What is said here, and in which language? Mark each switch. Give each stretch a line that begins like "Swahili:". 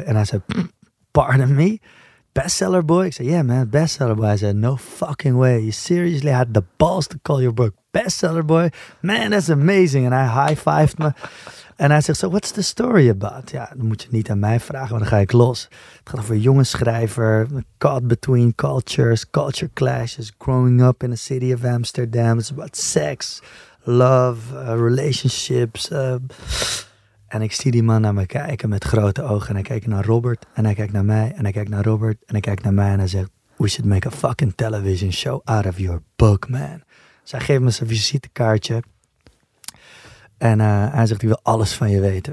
Dutch: En hij zei,
English: pardon me?
Dutch: Bestseller Boy? Ik zei,
English: yeah, man, Bestseller Boy.
Dutch: Hij zei,
English: no fucking way. You seriously had the balls to call your book Bestseller Boy? Man, that's amazing.
Dutch: En hij
English: high-fived me.
Dutch: En hij zegt,
English: so what's the story about?
Dutch: Ja, dan moet je niet aan mij vragen, want dan ga ik los. Het gaat over een jonge schrijver,
English: caught between cultures, culture clashes, growing up in the city of Amsterdam. It's about sex, love, relationships.
Dutch: En ik zie die man naar me kijken met grote ogen. En hij kijkt naar Robert. En hij kijkt naar mij. En hij kijkt naar Robert. En hij kijkt naar mij. En hij zegt,
English: we should make a fucking television show out of your book, man.
Dutch: Dus hij geeft me zijn visitekaartje. En hij zegt, ik wil alles van je weten.